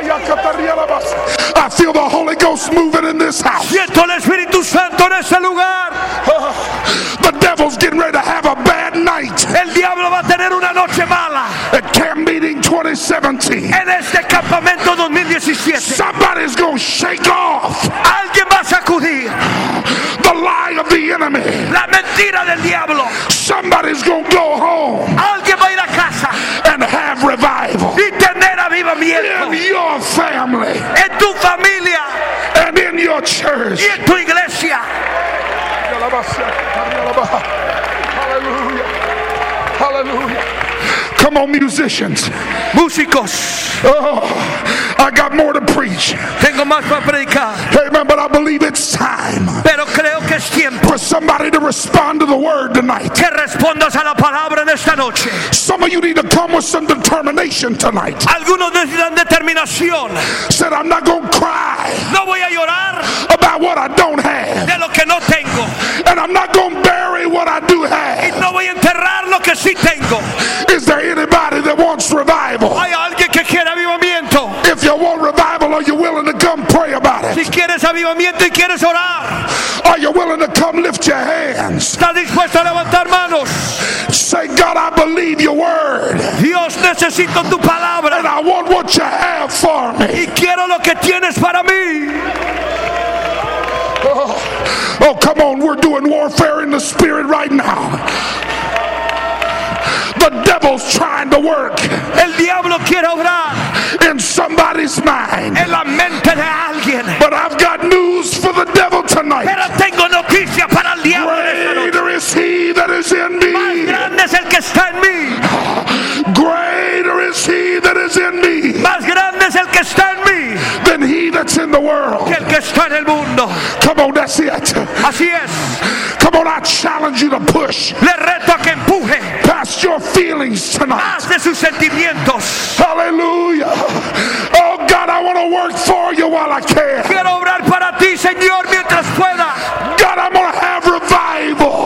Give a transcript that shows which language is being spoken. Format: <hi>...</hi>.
<en>I feel the Holy Ghost moving in this house.</en> <es>Siento el Espíritu Santo en este lugar.</es> <en>The devil's getting ready to have a bad night.</en> <es>El diablo va a tener una noche mala.</es> <en>At camp meeting 2017.</en> <es>En este campamento 2017.</es> <en>Somebody's going to shake off.</en> <es>Alguien va a sacudir.</es> <en>The lie of the enemy.</en> <es>La mentira del diablo.</es> <en>Somebody's going to go home.</en> <es>Alguien va a ir a casa.</es> <en>And have revival.</en> <es>Y tener avivamiento.</es> <en>In your family.</en> <es>En tu familia.</es> <en>And in your church.</en> <es>Y en tu iglesia.</es> <en>Hallelujah. Hallelujah. Come on, musicians.</en> <es>Músicos.</es> <en>Oh, I got more to preach.</en> <es>Tengo más para predicar.</es> <en>Amen, but I believe it's time.</en> <es>Pero creo que es tiempo.</es> <en>For somebody to respond to the word tonight.</en> <es>Que respondas a la palabra en esta noche.</es> <en>Some of you need to come with some determination tonight.</en> <es>Algunos necesitan determinación.</es> <en>Said I'm not going to cry.</en> <es>No voy a llorar.</es> <en>About what I don't have.</en> <es>De lo que no tengo.</es> <en>And I'm not going to bury what I do have.</en> <es>Y no voy a enterrar lo que sí tengo.</es> <en>Is there anybody that wants revival?</en> <es>Hay alguien que quiere avivamiento.</es> <en>If you want revival, are you willing to come pray about it?</en> <es>Si quieres avivamiento y quieres orar.</es> <en>Are you willing to come lift your hands?</en> <es>¿Estás dispuesto a levantar manos?</es> <en>Say, God, I believe your word.</en> <es>Dios, necesito tu palabra.</es> <en>And I want what you have for me.</en> <es>Y quiero lo que tienes para mí.</es> <en>Oh, come on, we're doing warfare in the spirit right now. The devil's trying to work.</en> <es>El diablo quiere obrar.</es> <en>In somebody's mind.</en> <es>En la mente de alguien.</es> <en>But I've got news for the devil tonight.</en> <es>Pero tengo noticia para el diablo.</es> <en>Greater is he that is in me.</en> <es>Más grande es el que está en mí.</es> <en>Greater is he that is in me.</en> <es>Más grande es el que está en mí.</es> <en>Than he that's in the world.</en> <es>Que el que está en el mundo.</es> <en>Come on, that's it.</en> <es>Así es.</es> <en>Come on, I challenge you to push.</en> <es>Le reto a que empuje.</es> <en>Past your feelings tonight.</en> <es>Más de sus sentimientos.</es> <en>Hallelujah. Oh God, I want to work for you while I can.</en> <es>Quiero obrar para ti, Señor, mientras pueda.</es> <en>God, I'm gonna have revival.</en>